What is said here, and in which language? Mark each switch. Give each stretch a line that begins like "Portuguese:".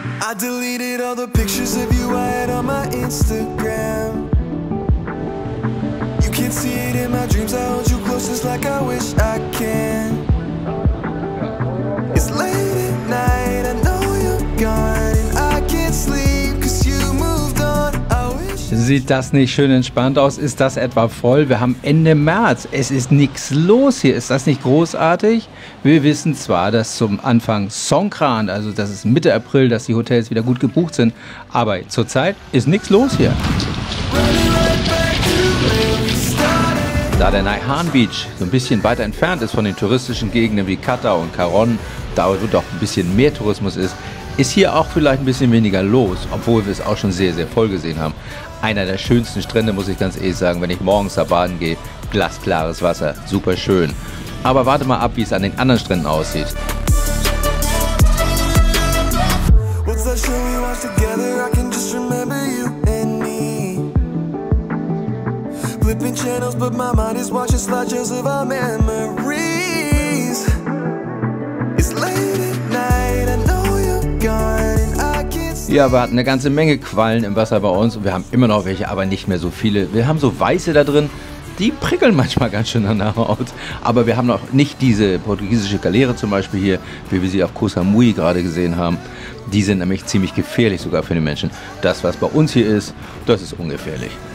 English: I deleted all the pictures of you I had on my Instagram. You can't see it in my dreams, I hold you close just like I wish I can. It's late at night, I know you're gone, and I can't sleep, cause you moved on.
German: Sieht das nicht schön entspannt aus? Ist das etwa voll? Wir haben Ende März. Es ist nichts los hier. Ist das nicht großartig? Wir wissen zwar, dass zum Anfang Songkran, also das ist Mitte April, dass die Hotels wieder gut gebucht sind, aber zurzeit ist nichts los hier. Da der Naiham Beach so ein bisschen weiter entfernt ist von den touristischen Gegenden wie Kata und Karon, da wo doch ein bisschen mehr Tourismus ist, ist hier auch vielleicht ein bisschen weniger los, obwohl wir es auch schon sehr, sehr voll gesehen haben. Einer der schönsten Strände, muss ich ganz ehrlich sagen, wenn ich morgens da baden gehe, glasklares Wasser, super schön. Aber warte mal ab, wie es an den anderen Stränden aussieht.
English: What's flipping channels, but my mind is watching slideshows of our memories. It's late at night, I know you're gone, and I can't see.
German: Ja, wir hatten eine ganze Menge Quallen im Wasser bei uns und wir haben immer noch welche, aber nicht mehr so viele. Wir haben so weiße da drin. Die prickeln manchmal ganz schön an der Haut. Aber wir haben noch nicht diese portugiesische Galeere zum Beispiel hier, wie wir sie auf Koh Samui gerade gesehen haben. Die sind nämlich ziemlich gefährlich sogar für den Menschen. Das, was bei uns hier ist, das ist ungefährlich.